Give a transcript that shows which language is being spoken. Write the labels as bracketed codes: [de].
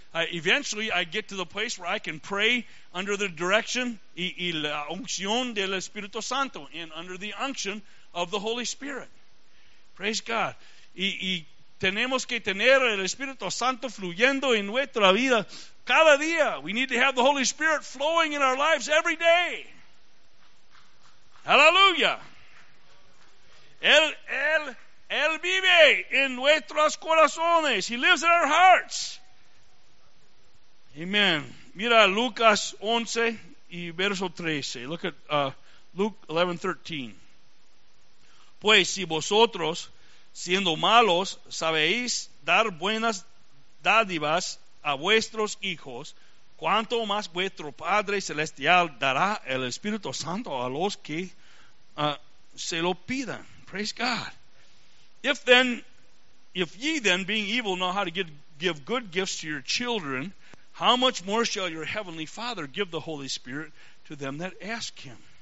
[en] Eventually I get to the place where I can pray under the direction [es] y la unción del Espíritu Santo, [en] and under the unction of the Holy Spirit. Praise God. [es] Y tenemos que tener el Espíritu Santo fluyendo en nuestra vida cada día. [en] We need to have the Holy Spirit flowing in our lives every day. Hallelujah. [es] Él vive en nuestros corazones. [en] He lives in our hearts. Amen. [es] Mira Lucas 11 y verso 13. [en] Look at Luke 11:13. [es] Pues si vosotros, siendo malos, sabéis dar buenas dádivas a vuestros hijos, ¿cuánto más vuestro Padre Celestial dará el Espíritu Santo a los que se lo pidan? [en] Praise God. If ye then, being evil, know how to give good gifts to your children, how much more shall your heavenly Father give the Holy Spirit to them that ask him?